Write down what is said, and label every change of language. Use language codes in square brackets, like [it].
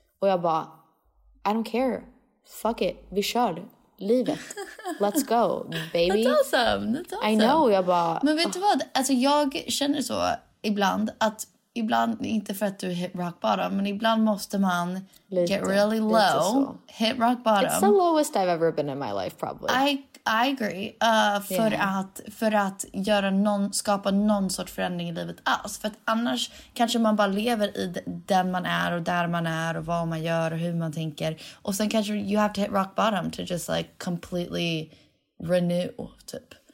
[sv] Och jag bara, [en] I don't care, fuck it, [sv] vi kör livet. [en] Let's go, baby. That's awesome. I know, [sv] jag bara... Men vet du vad? Alltså jag känner så ibland att... Ibland, inte för att du hit rock bottom, men ibland måste man lite, [en] get really low. Hit rock bottom. It's the lowest I've ever been in my life, probably. I agree. [sv] För att göra skapa någon sorts förändring i livet alls. För att annars kanske man bara lever i den man är och där man är och vad man gör och hur man tänker. Och sen kanske [en] you have to hit rock bottom to just like completely renew, typ.